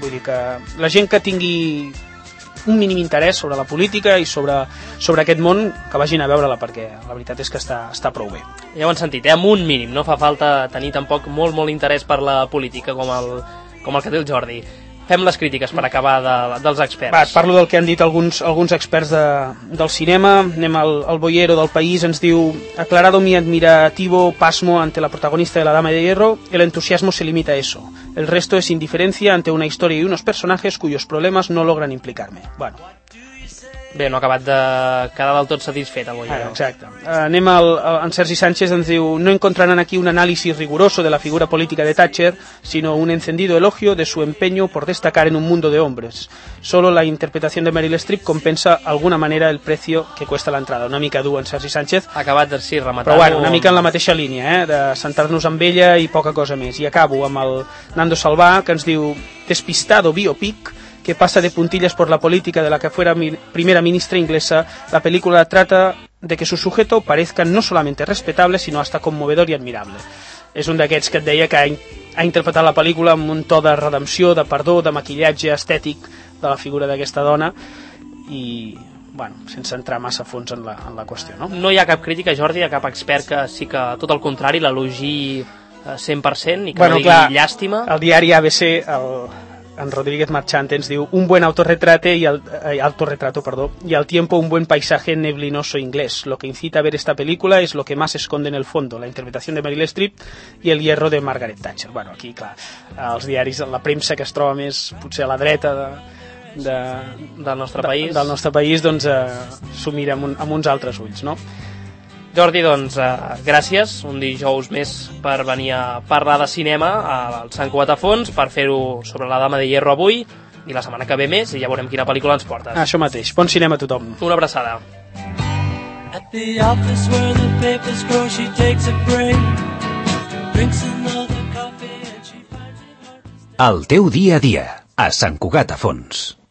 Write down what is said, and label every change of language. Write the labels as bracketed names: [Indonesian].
[Catalan] Vull dir que la gent que tingui un mínim interès sobre la política i sobre aquest món, que vagin a veure-la, perquè la veritat és que està prou bé. Ja ho han sentit, amb un mínim, no fa falta tenir tampoc molt, molt interès per la política com el que té el Jordi. Fem les crítiques per acabar dels experts. Va, parlo del que han dit alguns experts del cinema. Anem al Boyero del País, ens diu: [Spanish] aclarado mi admirativo pasmo ante la protagonista de La Dama de Hierro, el entusiasmo se limita a eso. El resto es indiferencia ante una historia y unos personajes cuyos problemas no logran implicarme. [Catalan] Bueno. Bé, no ha acabat de quedar del tot satisfet, el Boyero. Exacte. Anem en Sergi Sánchez, ens diu: [Spanish] no encontrarán aquí un análisis riguroso de la figura política de Thatcher, sino un encendido elogio de su empeño por destacar en un mundo de hombres. Solo la interpretación de Meryl Streep compensa alguna manera el precio que cuesta la entrada. [Catalan] Una mica dur, en Sergi Sánchez. Ha acabat de sí, rematar. Però bueno, una mica en la mateixa línia, de centrar-nos en ella i poca cosa més. I acabo amb el Nando Salvà, que ens diu: [Spanish] despistado biopic que pasa de puntillas por la política de la que fuera primera ministra inglesa, la película trata de que su sujeto parezca no solamente respetable, sino hasta conmovedor y admirable. [Catalan] És un d'aquests que et deia que ha interpretat la pel·lícula amb un to de redempció, de perdó, de maquillatge estètic de la figura d'aquesta dona, i, bueno, sense entrar massa a fons en la qüestió. No? No hi ha cap crítica, Jordi, a cap expert que sí que, tot el contrari, l'elogi 100% i que bueno, no digui clar, llàstima. El diari ABC, en Rodríguez Marchante, ens diu: [Spanish] un buen autorretrate y y al tiempo un buen paisaje neblinoso inglés. Lo que incita a ver esta película es lo que más esconde en el fondo, la interpretación de Meryl Streep y el hierro de Margaret Thatcher. [Catalan] Bueno, aquí, clar, els diaris, la premsa que es troba més potser a la dreta del nostre país, doncs s'ho mira amb uns altres ulls, no? Jordi, doncs, gràcies un dijous més per venir a parlar de cinema al Sant Cugat a Fons, per fer-ho sobre La Dama de Hierro avui, i la setmana que ve més, i ja veurem quina pel·lícula ens portes. Això mateix, bon cinema a tothom. Una abraçada. [English] At the office where the papers grow, she takes a break. Drinks another coffee and she finds it hard to stay. [Catalan] El teu dia a dia, a Sant Cugat a Fons.